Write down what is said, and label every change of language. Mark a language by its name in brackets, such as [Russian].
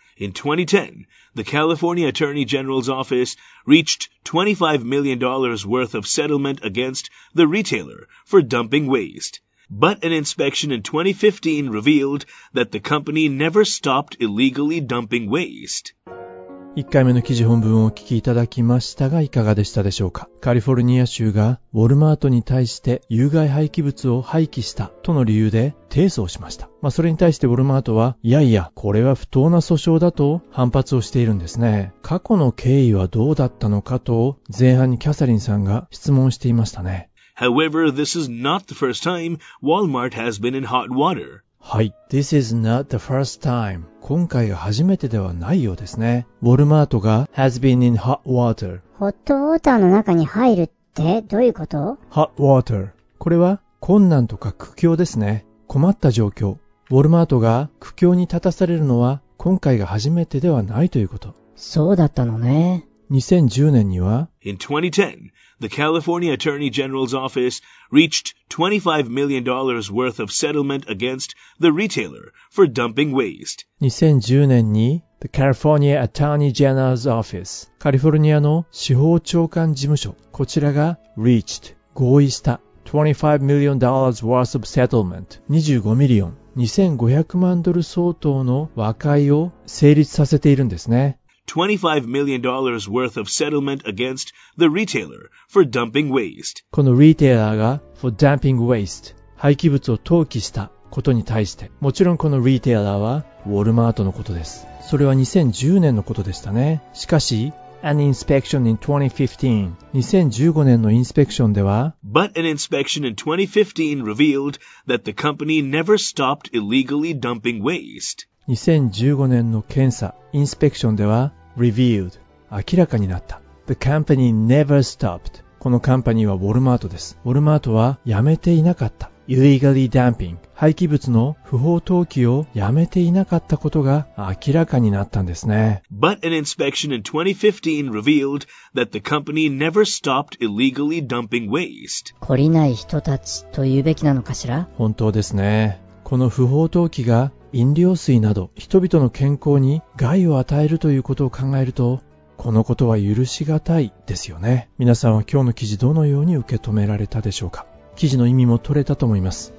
[English] In 2010, the California Attorney General's office reached $25 million worth of settlement against the retailer for dumping waste. But an inspection in 2015 revealed that the company never stopped illegally dumping waste. [Japanese] 1回目の記事本文をお聞きいただきましたが、いかがでしたでしょうか。カリフォルニア州がウォルマートに対して有害廃棄物を廃棄したとの理由で提訴しました。まあ、それに対してウォルマートは、いやいや、これは不当な訴訟だと反発をしているんですね。過去の経緯はどうだったのかと前半にキャサリンさんが質問していましたね。 [English] However, this is not the first time Walmart has been in hot water. [Japanese] はい。 [English] This is not the first time. [Japanese] 今回が初めてではないようですね。 [English] Walmart が has been in hot water. Hot water [Japanese] の中に入るってどういうこと? [English] Hot water. [Japanese] これは困難とか苦境ですね。困った状況。 Walmart が苦境に立たされるのは今回が初めてではないということ。そうだったのね。 2010年には [English] In 2010, the California Attorney General's Office reached $25 million worth of settlement against the retailer for dumping waste. [Japanese] 2010年に [English] The California Attorney General's Office [Japanese] カリフォルニアの司法長官事務所こちらが [English] reached [Japanese] 合意した [English] $25 million worth of settlement [Japanese] 25 million 2500万ドル相当の和解を成立させているんですね。 [English] $25 million worth of settlement against the retailer for dumping waste. [Japanese] このリテイラーが [English] for dumping waste [Japanese] 廃棄物を投棄したことに対して、もちろんこのリテイラーはウォルマートのことです。それは2010年のことでしたね。しかし、 [English] an inspection in 2015 [Japanese] 2015年のインスペクションでは [English] But an inspection in 2015 revealed that the company never stopped illegally dumping waste. [Japanese] 2015年の検査、インスペクションでは [English] revealed [Japanese] 明らかになった。 [English] The company never stopped. [Japanese] このカンパニーはウォルマートです。ウォルマートはやめていなかった。 [English] illegally dumping [Japanese] 廃棄物の不法投棄をやめていなかったことが明らかになったんですね。 [English] But an inspection in 2015 revealed that the company never stopped illegally dumping waste. [Japanese] 懲りない人たちと言うべきなのかしら? 本当ですね。この不法投棄が飲料水など人々の健康に害を与えるということを考えると、このことは許しがたいですよね。皆さんは今日の記事どのように受け止められたでしょうか。記事の意味も取れたと思います。